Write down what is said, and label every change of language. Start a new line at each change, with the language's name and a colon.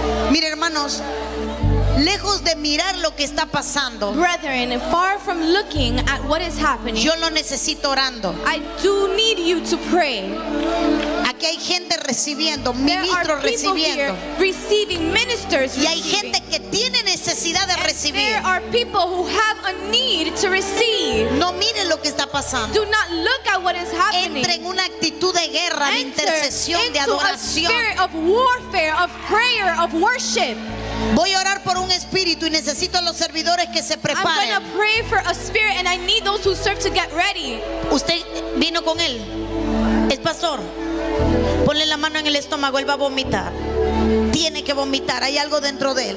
Spanish: Mire, hermanos, lejos de mirar lo que está pasando.
English: Brethren, far from looking at what is happening.
Spanish: Yo lo necesito orando.
English: I do need you to pray.
Spanish: Aquí hay gente recibiendo, ministros recibiendo.
English: There are people here receiving, ministers receiving.
Spanish: Y hay gente que tiene necesidad de recibir.
English: There are people who have a need to receive.
Spanish: No mire lo que está pasando.
English: Do not look at what is happening.
Spanish: Entre en una actitud de guerra, de intercesión,
English: enter
Spanish: de adoración.
English: Enter into a spirit of warfare, of prayer, of worship.
Spanish: Voy a orar por un espíritu y necesito a los servidores que se preparen.
English: I'm going to pray for a spirit and I need those who serve to get ready.
Spanish: ¿Usted vino con él? Es pastor. Ponle la mano en el estómago, él va a vomitar. Tiene que vomitar, hay algo dentro de él.